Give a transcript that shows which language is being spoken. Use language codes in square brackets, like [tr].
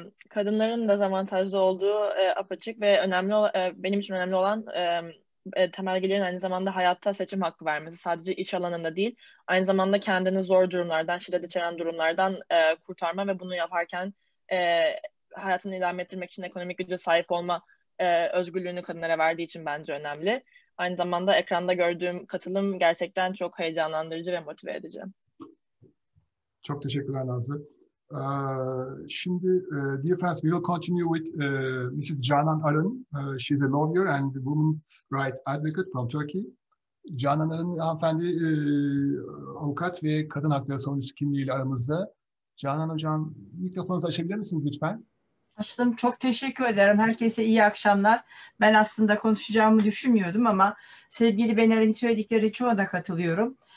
[tr] Kadınların dezavantajlı olduğu apaçık ve önemli benim için önemli olan temel gelirin aynı zamanda hayatta seçim hakkı vermesi, sadece iş alanında değil, aynı zamanda kendini zor durumlardan, şiddet içeren durumlardan kurtarma ve bunu yaparken hayatını idame ettirmek için ekonomik güce sahip olma özgürlüğünü kadınlara verdiği için bence önemli. Aynı zamanda ekranda gördüğüm katılım gerçekten çok heyecanlandırıcı ve motive edici. Çok teşekkürler Nazlı. Şimdi, [en] dear friends, we will continue with Mrs. Canan Arın. She's a lawyer and women's rights advocate from Turkey. [tr] Canan Arın hanımefendi avukat ve kadın hakları savunucusu kimliğiyle aramızda. Canan Hocam, mikrofonu açabilir misiniz lütfen? Açtım. Çok teşekkür ederim. Herkese iyi akşamlar. Ben aslında konuşacağımı düşünmüyordum ama sevgili Bener'in söyledikleri çoğuna katılıyorum.